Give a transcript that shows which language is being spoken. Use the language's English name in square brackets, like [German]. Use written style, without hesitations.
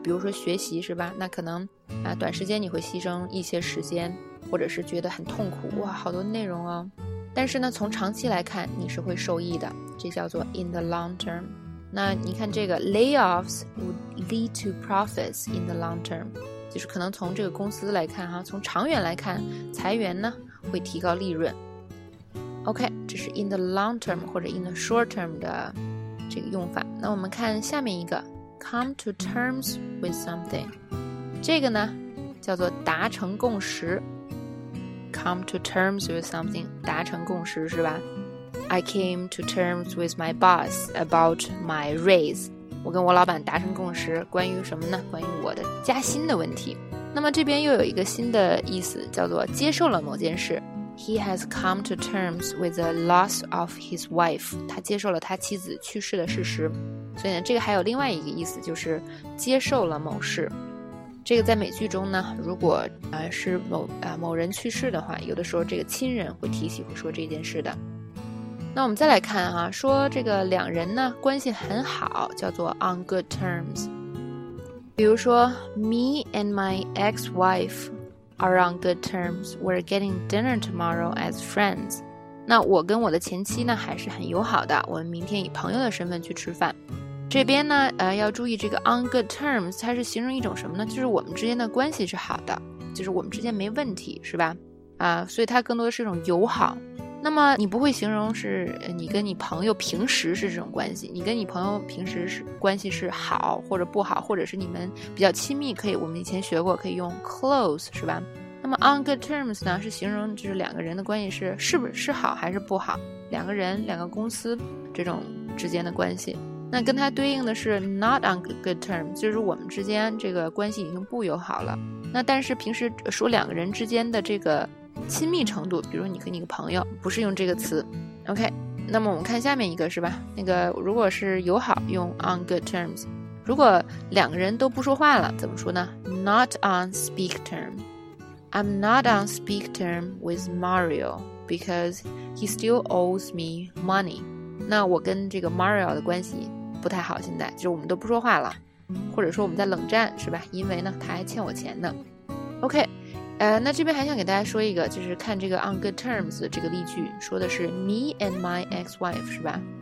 [Chinese] 比如说学习是吧，那可能啊，短时间你会牺牲一些时间，或者是觉得很痛苦，哇，好多内容哦。但是呢，从长期来看，你是会受益的，这叫做 [English] in the long term。 [Chinese] 那你看这个 [English] layoffs would lead to profits in the long term， [Chinese] 就是可能从这个公司来看哈，从长远来看，裁员呢会提高利润。 OK， 这是 [English] in the long term [Chinese] 或者 [English] in the short term [Chinese] 的这个用法。那我们看下面一个 [English] come to terms with something， [Chinese] 这个呢叫做达成共识。 [English] Come to terms with something， [Chinese] 达成共识是吧？ [English] I came to terms with my boss about my raise， [Chinese] 我跟我老板达成共识，关于什么呢？关于我的加薪的问题。那么这边又有一个新的意思，叫做接受了某件事。 [English] He has come to terms with the loss of his wife， [Chinese] 他接受了他妻子去世的事实。所以呢，这个还有另外一个意思，就是接受了某事。这个在美剧中呢，如果是某人去世的话，有的时候这个亲人会提起，会说这件事的。那我们再来看哈，说这个两人呢关系很好，叫做 [English] on good terms。 [Chinese] 比如说 [English] ，Me and my ex-wife are on good terms. We're getting dinner tomorrow as friends. [Chinese] 那我跟我的前妻呢还是很友好的，我们明天以朋友的身份去吃饭。这边呢要注意这个 [English] on good terms， [Chinese] 它是形容一种什么呢，就是我们之间的关系是好的，就是我们之间没问题是吧，所以它更多的是一种友好。那么你不会形容是你跟你朋友平时是这种关系，你跟你朋友平时是关系是好或者不好，或者是你们比较亲密，可以我们以前学过可以用 close 是吧。那么 [English] on good terms [Chinese] 呢是形容就是两个人的关系是好还是不好，两个人两个公司这种之间的关系。那跟它对应的是 [English] not on good terms， [Chinese] 就是我们之间这个关系已经不友好了。那但是平时说两个人之间的这个亲密程度，比如你跟你个朋友，不是用这个词。 OK， 那么我们看下面一个是吧，那个如果是友好用 [English] on good terms， [Chinese] 如果两个人都不说话了怎么说呢？ [English] not on speak term， I'm not on speak term with Mario because he still owes me money。 [Chinese] 那我跟这个 Mario 的关系不太好，现在就是我们都不说话了，或者说我们在冷战是吧，因为呢他还欠我钱呢。 OK， 那这边还想给大家说一个，就是看这个 [English] on good terms [Chinese] 这个例句说的是 [English] me and my ex-wife [Chinese] 是吧。